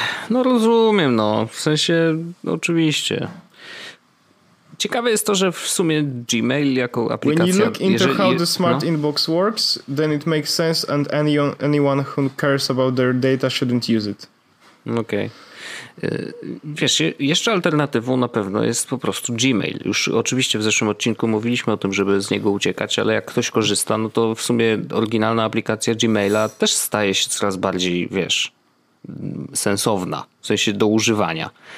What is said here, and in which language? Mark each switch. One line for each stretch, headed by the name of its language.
Polish: No rozumiem, no, w sensie oczywiście... Ciekawe jest to, że w sumie Gmail jako aplikacja...
English: When you look into how the smart inbox works, then it makes sense and anyone who cares about their data shouldn't use it.
Polish: Okej. Wiesz, jeszcze alternatywą na pewno jest po prostu Gmail. Już oczywiście w zeszłym odcinku mówiliśmy o tym, żeby z niego uciekać, ale jak ktoś korzysta, no to w sumie oryginalna aplikacja Gmaila też staje się coraz bardziej, wiesz, sensowna, w sensie do używania.